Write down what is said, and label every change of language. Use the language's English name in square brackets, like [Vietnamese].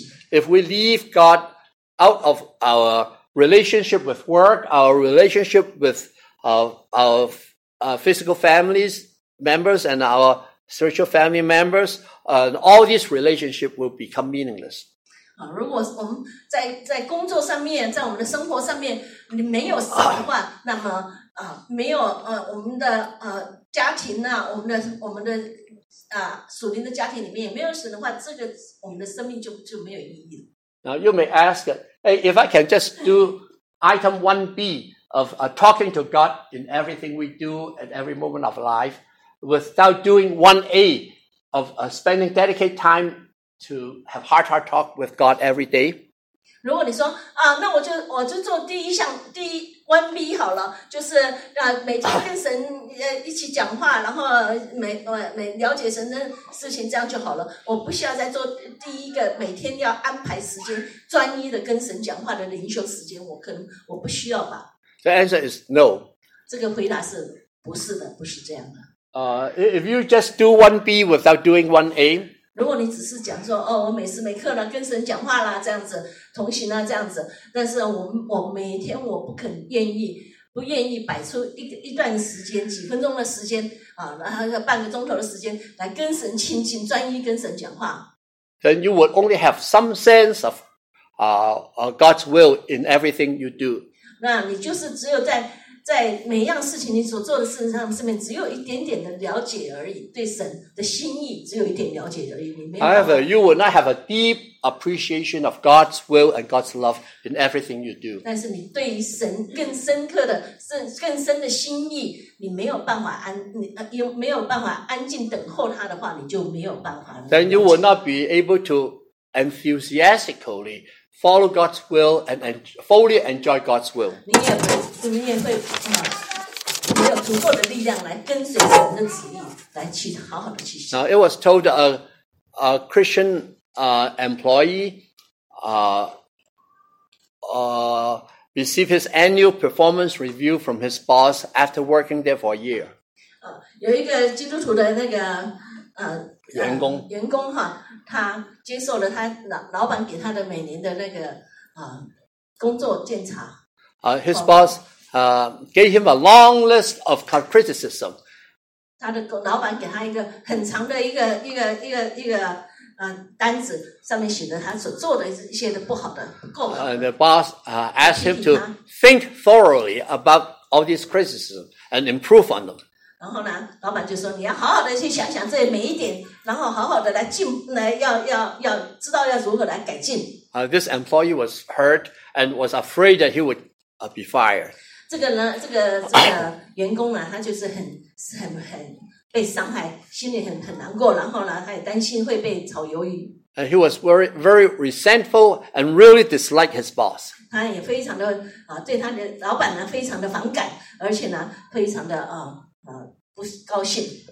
[English] If we leave God out of our relationship with work, our relationship with our physical families members and our spiritual family members, all these relationships will become meaningless. [Chinese] 如果我们 在工作上面，在我们的生活上面你没有神的话，那么没有我们的家庭啊，我们的属灵的家庭里面也没有神的话，这个我们的生命就没有意义了。 [English] Now you may ask, hey, if I can just do item 1B of talking to God in everything we do at every moment of life without doing 1A of spending dedicated time. To have heart-to-heart talk with God every day. [Chinese] 如果你说啊，那我就做第一项第一 [English] one B [Chinese] 好了，就是每天跟神一起讲话，然后每了解神的事情，这样就好了。我不需要再做第一个每天要安排时间专一的跟神讲话的灵修时间，我不需要吧。 [English] The answer is no. [Chinese] 这个回答是不是的，不是这样的。 [English] If you just do one B without doing one A. [Chinese] 如果你只是讲说，哦，我每时每刻呢跟神讲话啦，这样子同行啦，这样子，但是我每天我不愿意摆出一段时间，几分钟的时间啊，然后半个钟头的时间来跟神亲近，专一跟神讲话。 [English] Then you would only have some sense of, God's will in everything you do. [Chinese] 那你就是只有在每样事情你所做的事上上面只有一点点的了解而已，对神的心意只有一点了解而已。 [English] However, you will not have a deep appreciation of God's will and God's love in everything you do. [Chinese] 但是你对于神更深的心意，你没有办法安静等候他的话，你就没有办法。 [English] Then you will not be able to enthusiastically follow God's will and fully enjoy God's will. [Chinese] 你也会没有足够的力量来跟随神的旨意，来去好好的去。 [English] Now it was told a Christian employee received his annual performance review from his boss after working there for a year. [Chinese] 有一个基督徒的那个员工哈，他接受了他老板给他的每年的那个工作检查。 [English] His boss. Gave him a long list of criticism. [Chinese] 他的老板给他一个很长的一个单子，上面写的他所做的一些的不好的、不够的。 [English] The boss asked him to think thoroughly about all these criticisms and improve on them. [Chinese] 然后呢，老板就说你要好好的去想想这每一点，然后好好的来进来要知道要如何来改进。 [English] This employee was hurt and was afraid that he would be fired. [Chinese] 这个员工呢，他就是很被伤害，心里很难过，然后呢，他也担心会被炒鱿鱼。 [English] And he was very, very resentful and really disliked his boss. [Chinese] 他也非常的对他的老板呢非常的反感，而且呢非常的不高兴。